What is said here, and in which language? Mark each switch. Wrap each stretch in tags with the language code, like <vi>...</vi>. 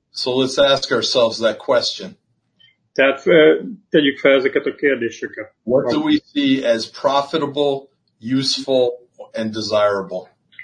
<en>So let's ask ourselves that question.</en> <hu>Tehát tegyük fel ezeket a kérdéseket.</hu> <en>What do we see as profitable, useful and desirable?</en>